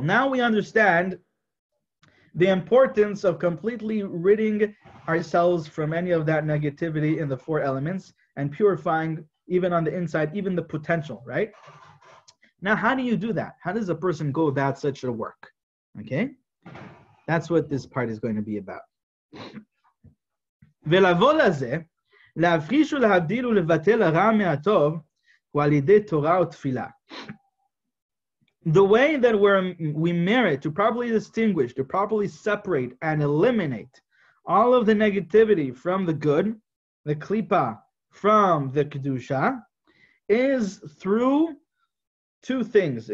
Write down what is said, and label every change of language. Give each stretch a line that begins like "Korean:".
English: Now we understand the importance of completely ridding ourselves from any of that negativity in the four elements and purifying even on the inside, even the potential, right? Now, how do you do that? How does a person go about such a work? Okay? That's what this part is going to be about.
Hebrew: ולבוא לזה, להפריש ולהבדיל ולבטל הרע מהטוב, הוא על ידי תורה ותפילה.
English: The way that we merit to properly distinguish, to properly separate and eliminate all of the negativity from the good, the klipa from the kedusha, is through two things.